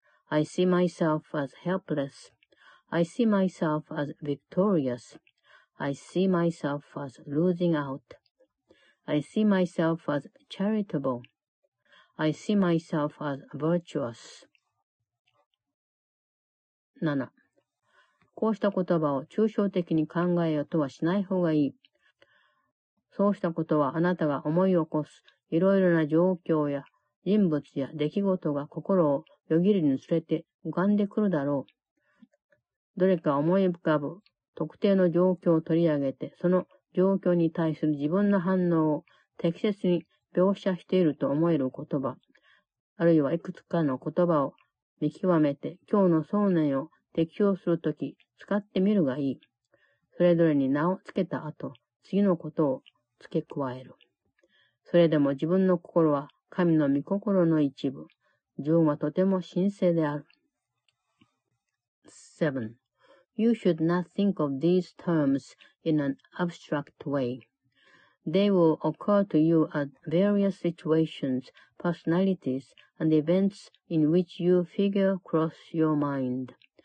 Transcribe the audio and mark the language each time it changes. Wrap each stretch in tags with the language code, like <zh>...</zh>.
<en>I see myself as helpless. I see myself as victorious. I see myself as losing out. I see myself as charitable. I see myself as virtuous. 7.</en> <ja>こうした言葉を抽象的に考えようとはしない方がいい。そうしたことはあなたが思い起こすいろいろな状況や人物や出来事が心をよぎるにつれて浮かんでくるだろう。どれか思い浮かぶ特定の状況を取り上げてその状況に対する自分の反応を適切に描写していると思える言葉、あるいはいくつかの言葉を見極めて今日の想念を適用するとき使ってみるがいい。それぞれに名を付けた後、次のことを付け加える。それでも自分の心は神の御心の一部。自分はとても神聖である。 7.</ja> <en>You should not think of these terms in an abstract way. They will occur to you at various situations, personalities, and events in which your figure crosses your mind.</en>